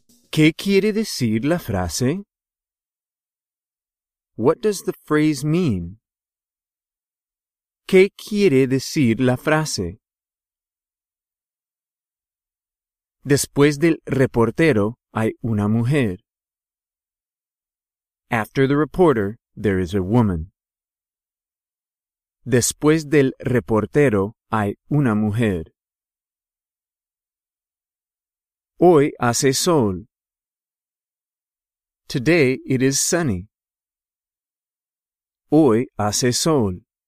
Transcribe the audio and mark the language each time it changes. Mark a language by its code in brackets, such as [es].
[es] ¿Qué quiere decir la frase? [en] What does the phrase mean? [es] ¿Qué quiere decir la frase? Después del reportero, hay una mujer. [en] After the reporter, there is a woman. [es] Después del reportero, hay una mujer. Hoy hace sol. [en] Today it is sunny. [es] Hoy hace sol.